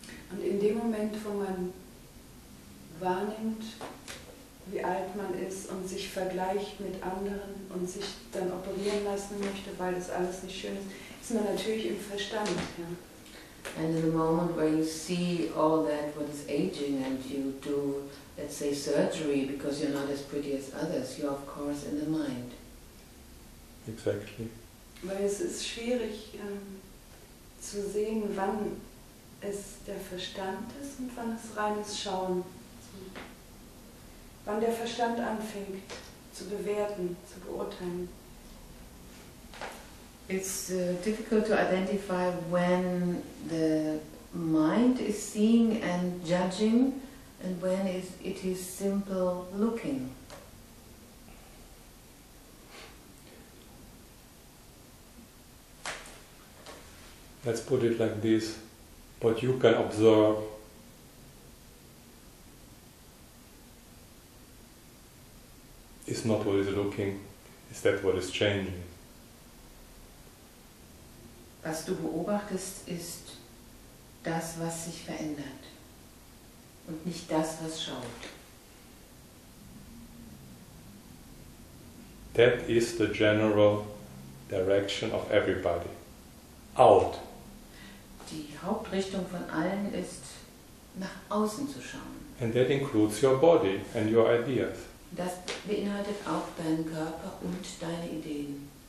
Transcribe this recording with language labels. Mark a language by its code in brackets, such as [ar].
[de] Und in dem Moment, wo man wahrnimmt, wie alt man ist und sich vergleicht mit anderen und sich dann operieren lassen möchte, weil das alles nicht schön ist, ist man natürlich im Verstand. Ja. [en] And in the moment where you see all that, what is aging, and you do, let's say, surgery because you're not as pretty as others, you're of course in the mind. Exactly. [de] Weil es ist schwierig zu sehen, wann es der Verstand ist und wann es reines Schauen ist. Wann der Verstand anfängt zu bewerten, zu beurteilen. [en] It's difficult to identify when the mind is seeing and judging and when it is simple looking. Let's put it like this, what you can observe is not what is looking, is that what is changing. [de] Was du beobachtest, ist das, was sich verändert und nicht das, was schaut. [en] That is the general direction of everybody. Out. [de] Die Hauptrichtung von allen ist, nach außen zu schauen. [en] And that includes your body and your ideas. [de] Das beinhaltet auch deinen Körper und deine Ideen.